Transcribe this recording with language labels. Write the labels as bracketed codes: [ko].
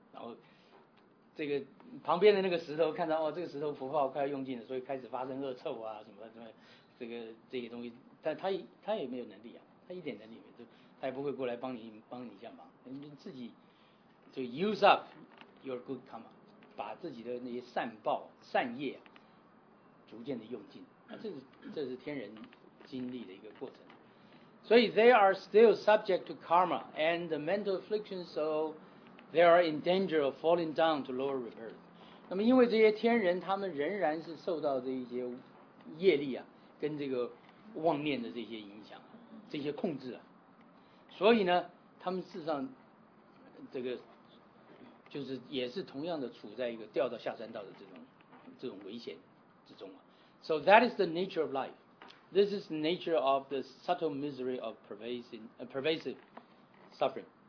[zh] 然后这个旁边的那个石头看到哦，这个石头福报快要用尽了，所以开始发生恶臭啊什么什么，这个这些东西，但他也没有能力啊，他一点能力没有，他也不会过来帮你一下忙，你自己就 [en] use up your good karma， [zh] 把自己的那些善报善业、啊、逐渐的用尽，这是天人经历的一个过程。所以 [en] they are still subject to karma and the mental afflictions, so they are in danger of falling down to lower rebirth. [zh] 那么因为这些天人他们仍然是受到这些业力啊，跟这个妄念的这些影响，这些控制啊，所以呢他们事实上这个就是也是同样的处在一个掉到下三道的这种危险之中啊。 [en] So that is the nature of life. This is the nature of the subtle misery of pervasive suffering.